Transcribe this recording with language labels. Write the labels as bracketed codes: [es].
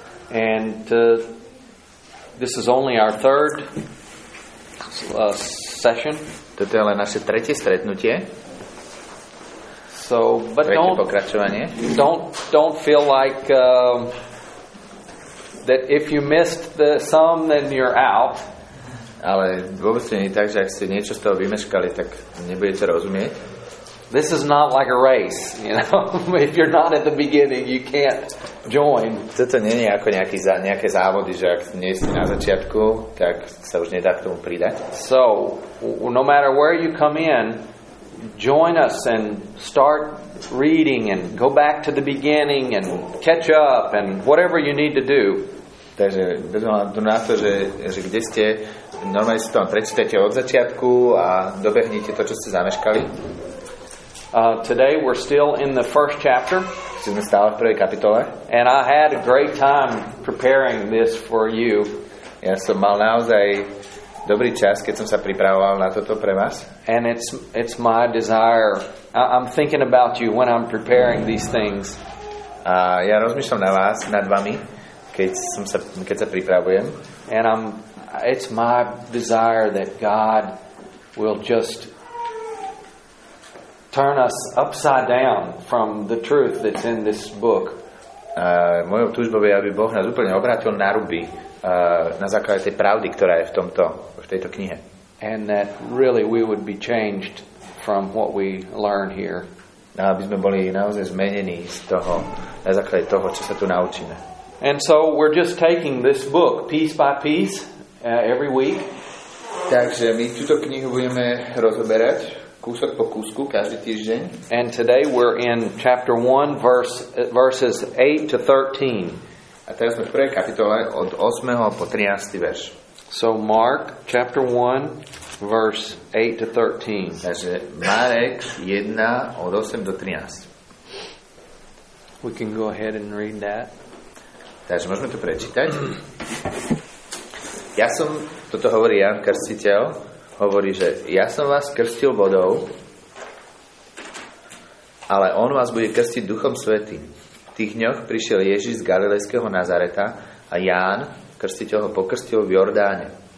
[en] And this is only our third session. [sk] Toto je naše tretie stretnutie. [en] So, but don't feel like that if you missed the sum, then you're out. [sk] Ale vôbec nie je tak, že ak ste niečo z toho vymeškali, tak nebudete rozumieť. [en] This is not like a race, you know. If you're not at the beginning, you can't join. [sk] Toto nie je ako nejaké závody, že ak nie ste na začiatku, tak sa už nedá k tomu pridať. [en] So, no matter where you come in, join us and start reading and go back to the beginning and catch up and whatever you need to do. [sk] Takže bez ohľadu na to, že kde ste, normálne si to prečítajte od začiatku a dobehnite to, čo ste zameškali. [en] Today we're still in the first chapter. [sk] Sme stále v prvej kapitole. [en] And I had a great time preparing this for you. [sk] Ja som mal naozaj dobrý čas, keď som sa pripravoval na toto pre vás. [en] And it's my desire. I'm thinking about you when I'm preparing these things. [sk] A ja rozmýšľam na vás, nad vami, keď sa pripravujem. [en] And it's my desire that God will just turn us upside down from the truth that's in this book. [sk] Mojou túžbou je, aby Boh nás úplne obrátil na ruby, na základe tej pravdy, ktorá je v tejto knihe. [en] And that really we would be changed from what we learn here. [sk] Aby sme boli naozaj zmenení z toho, na základe toho, čo sa tu naučíme. [en] And so we're just taking this book piece by piece every week. [sk] Takže my túto knihu budeme rozoberať kúsok po kúsku každý týždeň. [en] And today we're in chapter 1 verses 8-13. [sk] A teraz sme v prvej kapitole od 8. po 13. verš. [en] So Mark chapter 1 verse 8-13. [sk] Takže Marek 1 od 8 do 13. [en] We can go ahead and read that. [sk] Takže môžeme to prečítať. Ja som, toto hovorí Ján Krstiteľ, hovorí, že ja som vás krstil vodou, ale on vás bude krstiť Duchom Svätým. V tých dňoch prišiel Ježiš z Galilejského Nazareta a Ján, krstiteľ, ho pokrstil v Jordáne.